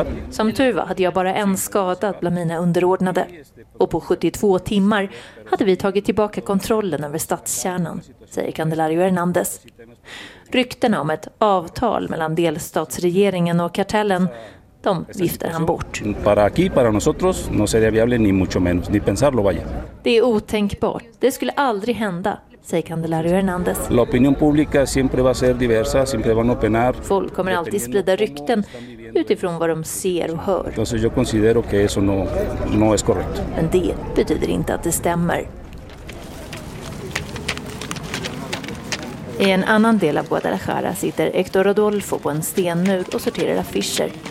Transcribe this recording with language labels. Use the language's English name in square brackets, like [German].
[Swedish] Som tur var hade jag bara en skadad bland mina underordnade. Och på 72 timmar hade vi tagit tillbaka kontrollen över stadskärnan, säger Candelario Hernández. Ryktena om ett avtal mellan delstatsregeringen och kartellen, de viftar han bort. [Spanish] Para aquí, para nosotros, no sería viable ni mucho menos, ni pensarlo vaya. [Swedish] Det är otänkbart. Det skulle aldrig hända, säger Candelario Hernández. [Spanish] La opinión pública siempre va a ser diversa, siempre van a opinar. [Swedish] Folk kommer alltid sprida rykten utifrån vad de ser och hör. [Spanish] Entonces yo considero que eso no es correcto. [Swedish] Men det betyder inte att det stämmer. I en annan del av Guadalajara sitter Héctor Rodolfo på en stenmur och sorterar affischer.